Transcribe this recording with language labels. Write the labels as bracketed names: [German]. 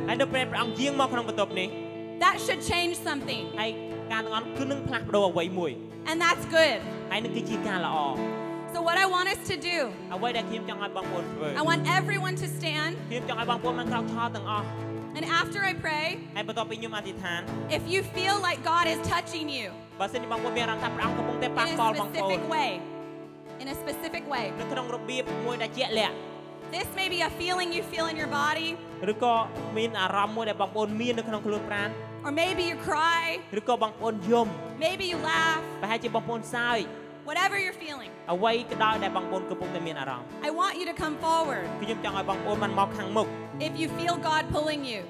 [Khmer] ហើយនៅពេលព្រះអង្គយាងមកក្នុងបន្ទប់នេះ [English] That should change something. [Khmer] ហើយការងន់គឺនឹងផ្លាស់ប្ដូរអ្វីមួយ [English] And that's good. [Khmer] ហើយនឹងគឺជាការល្អ [English] So what I want us to do, [Khmer] អ្វីដែលខ្ញុំចង់ឲ្យបងប្អូនធ្វើ [English] I want everyone to stand. [Khmer] ខ្ញុំចង់ឲ្យបងប្អូនមកក្រោកឈរទាំងអស់ [English] And after I pray, [Khmer] ហើយបន្ទាប់ពីខ្ញុំអធិដ្ឋាន [English] If you feel like God is touching you, [Khmer] បើសិនជាបងប្អូនមានអារម្មណ៍ថាព្រះអង្គកំពុងតែប៉ះពាល់បងប្អូន [English] In a specific way. [Khmer] នៅក្នុងរបៀបមួយដែលជាក់លាក់ [English] This may be a feeling you feel in your body. [Khmer] ឬក៏មានអារម្មណ៍មួយដែលបងប្អូនមាននៅក្នុងខ្លួនប្រាណ [English] Or maybe you cry. [Khmer] ឬក៏បងប្អូនយំ [English] Maybe you laugh. [Khmer] បើហេតុជាបងប្អូនសើច [English] Whatever you're feeling. [Khmer] អ្វីក៏ដោយដែលបងប្អូនកំពុងតែមានអារម្មណ៍ [English] I want you to come forward. [Khmer] ខ្ញុំចង់ឲ្យបងប្អូនបានមកខាងមុខ [English] If you feel God pulling you.